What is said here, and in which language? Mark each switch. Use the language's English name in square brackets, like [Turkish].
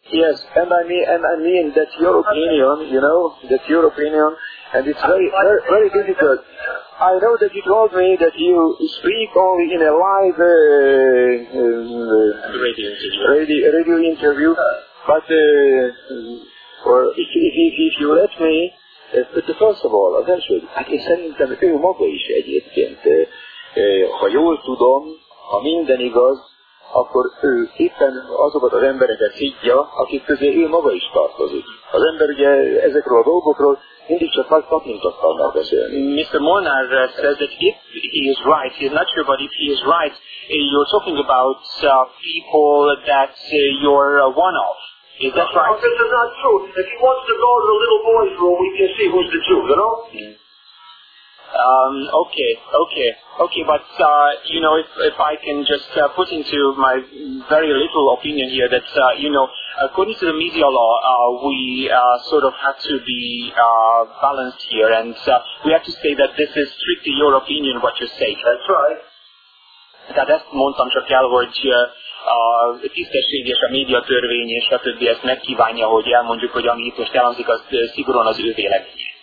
[English] Yes, and I mean that your opinion, you know, that your opinion, and it's very difficult. I know that you told me that you speak only in a live radio interview, but if you let me, first of all, eventually, [Hungarian] aki szerintem ő maga is egyébként, ha jól tudom, ha minden igaz, akkor ő éppen azokat az embereket higgya, akik közé ő maga is tartozik. Az ember ugye ezekről a dolgokról mindig csak nagy tapintattalnak beszélni. [English] Mr. Molnár says that if he is right, he is not sure, but if he is right, you're talking about people that you're one of. Is that right? No, this is not true. If he wants to go to the little boys room, we can see who's the Jew, you know? Okay, but, you know, if I can just put into my very little opinion here that, you know, according to the media law, we sort of have to be balanced here, and we have to say that this is strictly your opinion, what you say. That's right. [Hungarian] Tehát ezt mondtam csak el, hogy tisztesség és a média törvény és a többi ezt megkívánja, hogy elmondjuk, hogy ami itt most elhangzik, az szigorúan az ő véleménye.